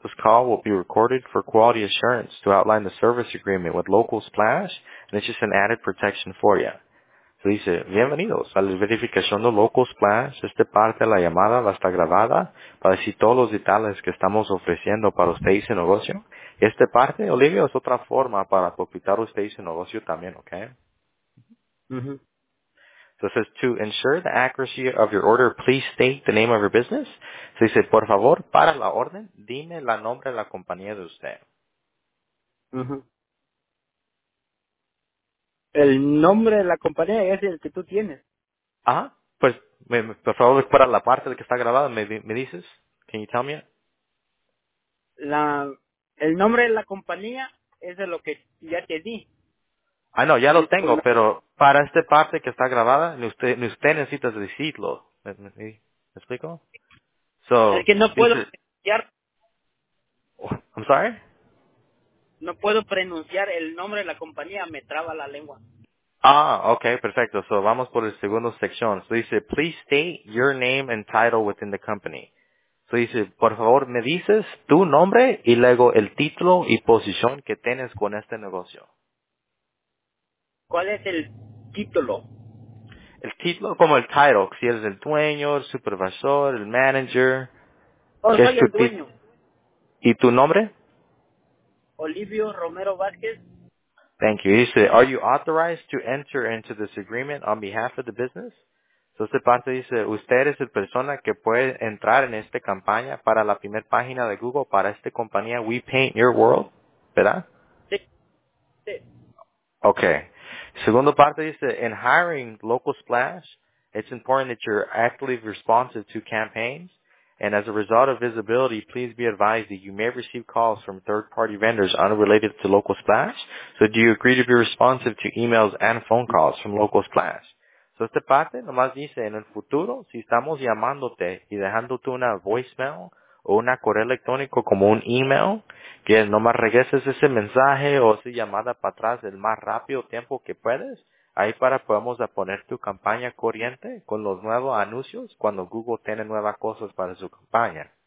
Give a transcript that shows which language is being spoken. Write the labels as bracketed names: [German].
[English] This call will be recorded for quality assurance to outline the service agreement with Local Splash, and it's just an added protection for you. So he said, [Spanish] bienvenidos a la verificación de Local Splash. Esta parte de la llamada va a estar grabada para decir todos los detalles que estamos ofreciendo para usted y su negocio. Y esta parte, Olivia, es otra forma para propitar usted y su negocio también, okay? Mm-hmm. [English] So it says, to ensure the accuracy of your order, please state the name of your business. So he said, [Spanish] por favor, para la orden, dime la nombre de la compañía de usted. Uh-huh. El nombre de la compañía es el que tú tienes. Ajá. Pues, por favor, para la parte que está grabada, ¿me dices? [English] Can you tell me? [Spanish] El nombre de la compañía es de lo que ya te di. Ah, no, ya lo tengo, pero para esta parte que está grabada, ni usted necesita decirlo. ¿Me explico? So, es que no puedo pronunciar. [English] I'm sorry? [Spanish] No puedo pronunciar el nombre de la compañía, me traba la lengua. Ah, okay, perfecto. So, vamos por el segundo sección. [English] So, dice, please state your name and title within the company. [Spanish] So, dice, por favor, me dices tu nombre y luego el título y posición que tienes con este negocio. ¿Cuál es el título? El título, como el title, si eres el dueño, el supervisor, el manager. Oh, soy el dueño. ¿Y tu nombre? Olivio Romero Vázquez. [English] Thank you. He said, are you authorized to enter into this agreement on behalf of the business? [Spanish] Entonces, parte dice, usted es la persona que puede entrar en esta campaña para la primera página de Google para esta compañía We Paint Your World, ¿verdad? Sí. Okay. Segundo parte dice, [English] in hiring local splash, it's important that you're actively responsive to campaigns. And as a result of visibility, please be advised that you may receive calls from third-party vendors unrelated to Local Splash. So do you agree to be responsive to emails and phone calls from Local Splash? [Spanish] So esta parte nomás dice, en el futuro, si estamos llamándote y dejándote una voicemail o una correo electrónico como un email, que nomás regreses ese mensaje o esa llamada para atrás el más rápido tiempo que puedes, ahí para podamos poner tu campaña corriente con los nuevos anuncios cuando Google tiene nuevas cosas para su campaña.